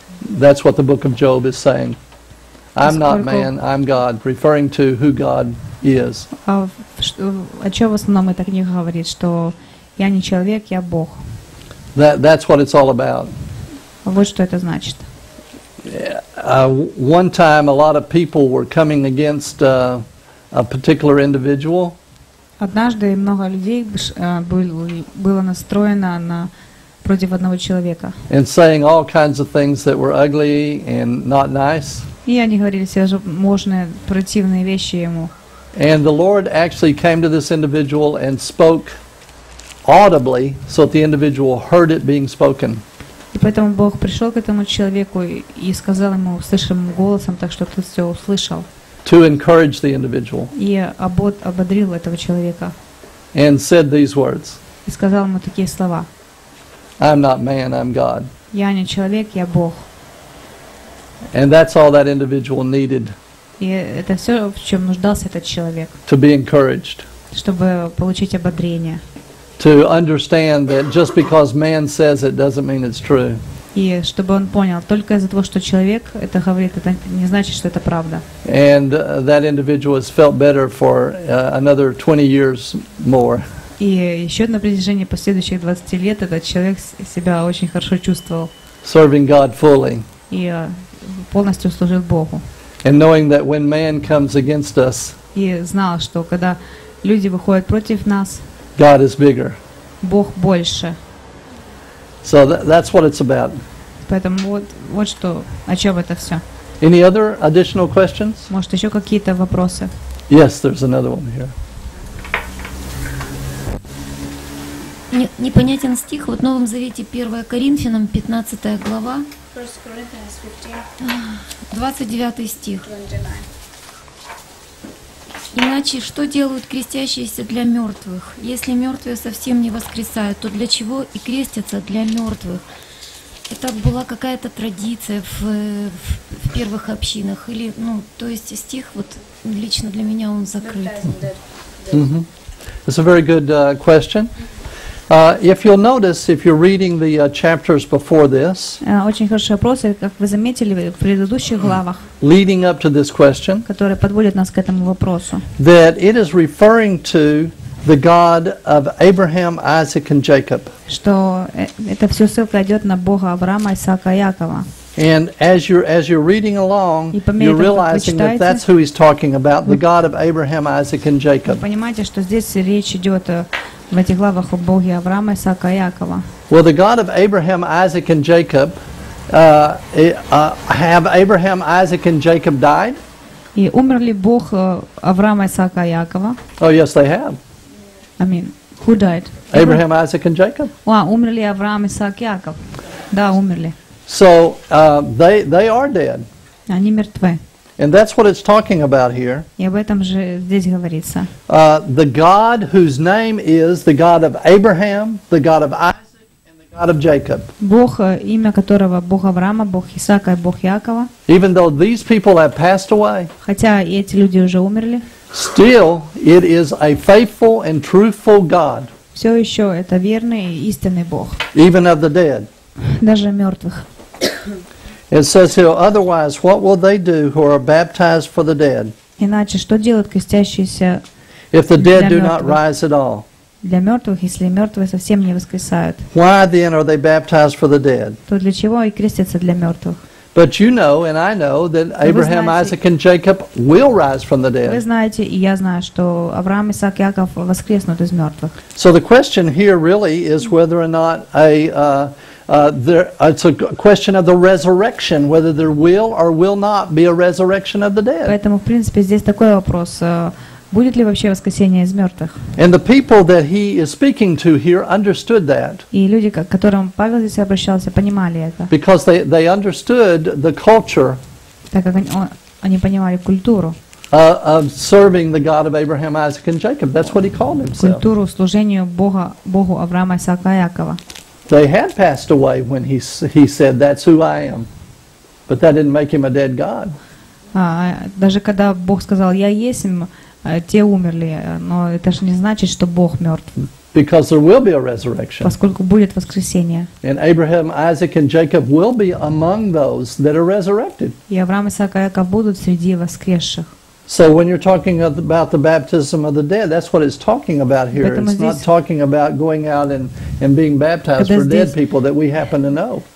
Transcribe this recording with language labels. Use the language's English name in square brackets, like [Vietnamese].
[English] That's what the book of Job is saying. I'm not man, I'm God, referring to who God is. [Russian] О чём в основном эта книга говорит, что я не человек, я Бог. [English] That's what it's all about. [Russian] Вот что это значит. [English] One time a lot of people were coming against a particular individual. [Russian] Однажды много людей было настроено против одного человека. [English] And saying all kinds of things that were ugly and not nice. [Russian] И они говорили все можные противные вещи ему. [English] And the Lord actually came to this individual and spoke audibly, so that the individual heard it being spoken. [Russian] И поэтому Бог пришел к этому человеку и сказал ему слышимым голосом, так что тот все услышал. [English] To encourage the individual. [Russian] И ободрил этого человека. [English] And said these words. [Russian] И сказал ему такие слова. [English] I'm not man, I'm God. [Russian] Я не человек, я Бог. [English] And that's all that individual needed. [Russian] И это все, в чем нуждался этот человек. [English] To be encouraged. [Russian] Чтобы получить ободрение. [English] To understand that just because man says it doesn't mean it's true. [Russian] И чтобы он понял, только из-за того, что человек это говорит, это не значит, что это правда. [English] And that individual has felt better for another 20 years more. [Russian] И еще на протяжении последующих 20 лет этот человек себя очень хорошо чувствовал. [English] Serving God fully. [Russian] И полностью служил Богу. [English] And knowing that when man comes against us. [Russian] И знал, что когда люди выходят против нас. [English] God is bigger. [Russian] Бог больше. [English] So that's what it's about. [Russian] Поэтому вот что, о чем это все. [English] Any other additional questions? [Russian] Может, еще какие-то вопросы? [English] Yes, there's another one here. [Russian] Непонятен стих. Вот в Новом Завете 1 Коринфянам, 15 глава, 29 стих. Иначе что делают крестящиеся для мертвых? Если мертвые совсем не воскресают, то для чего и крестятся для мертвых? Это была какая-то традиция в первых общинах? Или, ну, то есть стих вот лично для меня он закрыт. [English] It's a very good question. If you'll notice, if you're reading the chapters before this, [Russian] очень хороший вопрос, как вы заметили в предыдущих главах, [English] leading up to this question, [Russian] которые подводят нас к этому вопросу, [English] that it is referring to the God of Abraham, Isaac, and Jacob. [Russian] Что это все ссылка идет на Бога Авраама, Исаака, Якова. [English] And as you're reading along, you're realizing that that's who he's talking about, the God of Abraham, Isaac, and Jacob. [Russian] Понимаете, что здесь речь идет в этих главах о Боге Авраама, Исаака, Якова. [English] Well, the God of Abraham, Isaac, and Jacob, have Abraham, Isaac, and Jacob died? [Russian] И умерли Бог Авраама, Исаака, Якова? [English] Oh, yes, they have. I mean, who died? Abraham, Isaac, and Jacob. [Russian] Умерли Авраам, Исаак, Яков. Да, умерли. [English] So they are dead. [Russian] Они мертвы. [English] And that's what it's talking about here. [Russian] И об этом же здесь говорится. [English] The God whose name is the God of Abraham, the God of Isaac, and the God of Jacob. [Russian] Бог, имя которого Бог Авраама, Бог Исаака и Бог Якова. [English] Even though these people have passed away. [Russian] Хотя эти люди уже умерли. [English] Still, it is a faithful and truthful God. [Russian] Все еще это верный и истинный Бог. [English] Even of the dead. [Russian] Даже мертвых. [English] It says here, otherwise, what will they do who are baptized for the dead? [Russian] Иначе что делают крестящиеся? [English] If the dead do not rise at all. [Russian] Для мертвых, если мертвые совсем не воскресают. [English] Why then are they baptized for the dead? [Russian] То для чего и крестятся для мертвых? [English] But you know, and I know that Abraham, Isaac, and Jacob will rise from the dead. [Russian] Вы знаете, и я знаю, что Авраам, Исаак, Яков воскреснут из мертвых. [English] So the question here really is whether or not it's a question of the resurrection, whether there will or will not be a resurrection of the dead. [Russian] Поэтому, в принципе, здесь такой вопрос: будет ли вообще воскресение из мертвых? [English] And the people that he is speaking to here understood that. [Russian] И люди, к которым Павел здесь обращался, понимали это. [English] Because they understood the culture. [Russian] Так как они понимали культуру. [English] Of serving the God of Abraham, Isaac, and Jacob. That's what he called himself. [Russian] Культуру служению Богу Авраама, Исаака, Якова. [English] They had passed away when he said, "That's who I am," but that didn't make him a dead god. [Russian] Даже когда Бог сказал, "Я есть", те умерли, но это же не значит, что Бог мертв. [English] Because there will be a resurrection. [Russian] Поскольку будет воскресение. [English] And Abraham, Isaac, and Jacob will be among those that are resurrected. [Russian] И Авраам, Исаак, и Яков будут среди воскресших. [English] So when you're talking about the baptism of the dead, that's what it's talking about here. It's not talking about going out and being baptized for dead people that we happen to know.